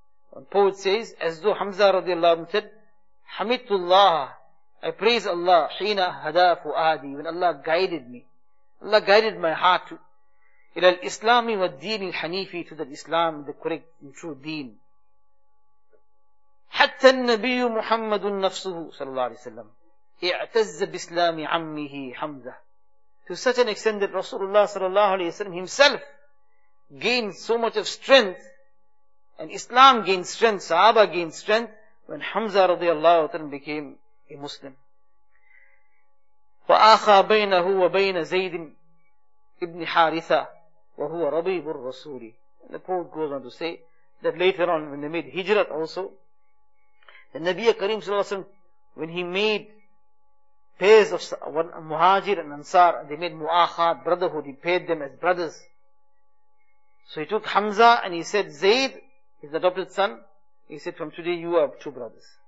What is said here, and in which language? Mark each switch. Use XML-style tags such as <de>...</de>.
<en>One poet says, as though Hamza radiallahu ta'ala said, Hamidullah, I praise Allah, Hina hada fu'adi, when Allah guided me. Allah guided my heart to</en> <ar>إِلَى الْإِسْلَامِ وَالْدِينِ الْحَنِيفِ</ar> <en>to the Islam, the correct and true deen.</en> <ar>حَتَّى النَّبِيُّ مُحَمَّدٌ نَفْسُهُ صلى الله عليه وسلم اِعْتَزَّ بِإِسْلَامِ عَمِّهِ حَمْزَةٌ.</ar> <en>To such an extent that Rasulullah صلى الله عليه وسلم himself gained so much of strength, and Islam gained strength, Sahaba gained strength, when Hamza radiallahu ta'ala became a Muslim.</en> <ar>وآخى بينه وبين زيد ابن حارثة وهو ربيب الرسول.</ar> <en>And the poet goes on to say that later on when they made Hijrat also, the Nabi Kareem sallallahu alayhi wa sallam, when he made pairs of Muhajir and Ansar, they made Mu'akhat, brotherhood, he paired them as brothers. So he took Hamza and he said, Zayd, his adopted son, he said, from today you are two brothers.</en>